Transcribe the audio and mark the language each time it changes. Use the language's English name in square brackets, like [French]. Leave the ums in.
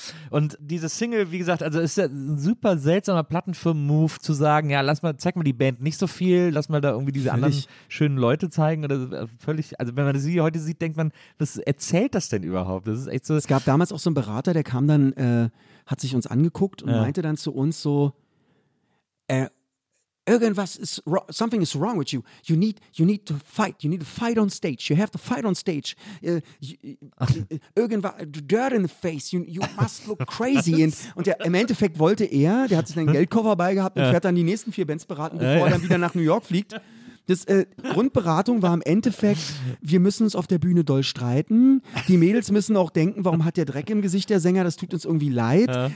[German] Und diese Single, wie gesagt, also ist ja ein super seltsamer Plattenfirmen-Move zu sagen, ja, lass mal, zeig mal die Band nicht so viel, lass mal da irgendwie diese völlig. anderen schönen Leute zeigen oder völlig, also wenn man sie heute sieht, denkt man, was erzählt das denn überhaupt? Das ist echt so. Es gab damals auch so einen Berater, der kam dann, äh, hat sich uns angeguckt und meinte dann zu uns so, äh, irgendwas ist [English] something is wrong with you. You need you need to fight. You need to fight on stage. You have to fight on stage. Äh, uh, uh, uh, [German] irgendwas [English] dirt in the face. You, you must look crazy. [German] And, und und im Endeffekt wollte er, der hat sich einen Geldkoffer beigehabt und fährt dann die nächsten vier Bands beraten, bevor er dann wieder nach New York fliegt. Das, äh, Grundberatung war im Endeffekt, wir müssen uns auf der Bühne doll streiten. Die Mädels müssen auch denken, warum hat der Dreck im Gesicht der Sänger? Das tut uns irgendwie leid. Ja.